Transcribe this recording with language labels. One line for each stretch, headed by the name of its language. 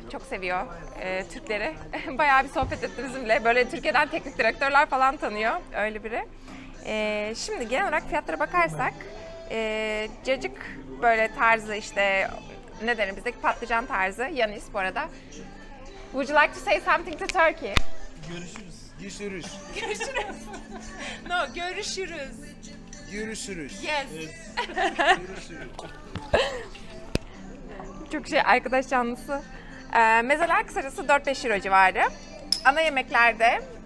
Turkish: Çok seviyor Türkleri. Bayağı bir sohbet etti bizimle. Böyle Türkiye'den teknik direktörler falan tanıyor. Öyle biri. Şimdi genel olarak fiyatlara bakarsak cacık böyle tarzı işte ne denir bizdeki patlıcan tarzı. Yenis bu arada.
English: Would you like to say something to Turkey?
Turkish: Görüşürüz. Görüşürüz. No, görüşürüz. Görüşürüz. Çok şey arkadaş canlısı. Mezeler kısacası 4-5 euro civarı. Ana yemeklerde